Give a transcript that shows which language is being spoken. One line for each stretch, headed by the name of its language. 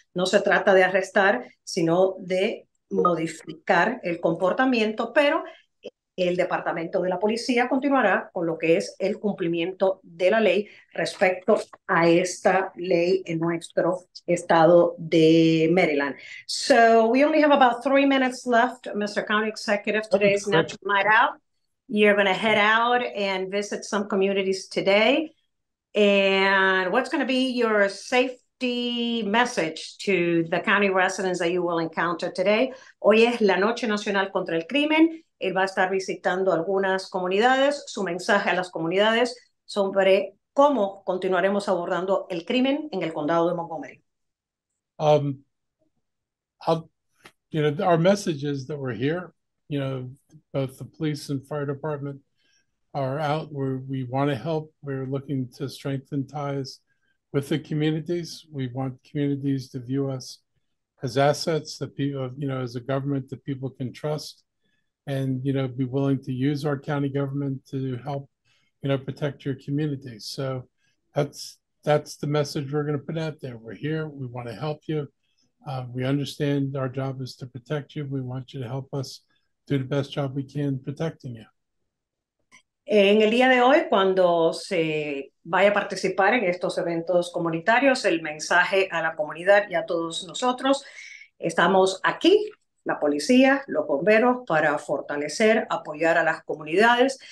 Spanish: No se trata de arrestar, sino de modificar el comportamiento, pero el departamento de la policía continuará con lo que es el cumplimiento de la ley respecto a esta ley en nuestro estado de Maryland.
English: So, we only have about 3 minutes left, Mr. County Executive. Today's not night out. You're going to head out and visit some communities today. And what's going to be your safety message to the county residents that you will encounter today?
Spanish: Hoy es la Noche Nacional contra el Crimen. Él va a estar visitando algunas comunidades. Su mensaje a las comunidades sobre cómo continuaremos abordando el crimen en el condado de Montgomery.
English: Our message is that we're here. You know, both the police and fire department are out. We want to help. We're looking to strengthen ties with the communities. We want communities to view us as assets that people, you know, as a government that people can trust, and, you know, be willing to use our county government to help, you know, protect your community. So that's the message we're going to put out there. We're here. We want to help you. We understand our job is to protect you. We want you to help us do the best job we can protecting you.
Spanish: En el día de hoy, cuando se vaya a participar en estos eventos comunitarios, el mensaje a la comunidad y a todos nosotros, estamos aquí, la policía, los bomberos, para fortalecer, apoyar a las comunidades.